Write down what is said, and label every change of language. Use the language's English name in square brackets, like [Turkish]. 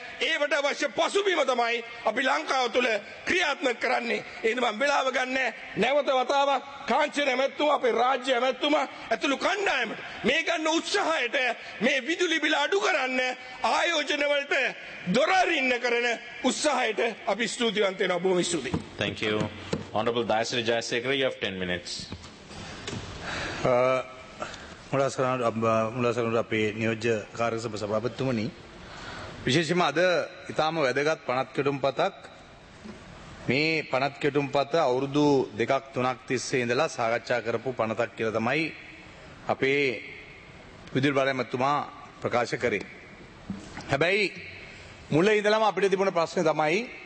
[Sinhala] ඒවට අවශ්‍ය පසුබිම තමයි අපි ලංකාව තුළ ක්‍රියාත්මක කරන්නේ එහෙනම් මම වෙලාව ගන්න නැවත වතාවක් කාංචි රැමැත්තුම අපේ රාජ්‍ය රැමැත්තුම ඇතුළු කණ්ඩායමට මේ ගන්න උත්සාහයට මේ විදුලි බිල අඩු කරන්න ආයෝජන වලට දොර අරින්න කරන උත්සාහයට අපි ස්තුතිවන්ත වෙනවා බොහොම ස්තුතියි [English] thank you honorable Dayasiri Jayasekara you have 10 minutes [Sinhala] මුලසරණ අපේ නියෝජ්‍ය කාර්ය සභ සභාපතිතුමනි විශේෂයෙන්ම අද ඉතාම වැදගත් පනත් කෙටුම් පතක් මේ පනත් කෙටුම් පත අවුරුදු දෙකක් තුනක් තිස්සේ ඉඳලා සාකච්ඡා කරපු පනතක් කියලා තමයි අපේ විදුලි බලය මැතිතුමා ප්‍රකාශ කරේ හැබැයි මුල ඉඳලම අපිට තිබුණ ප්‍රශ්නේ තමයි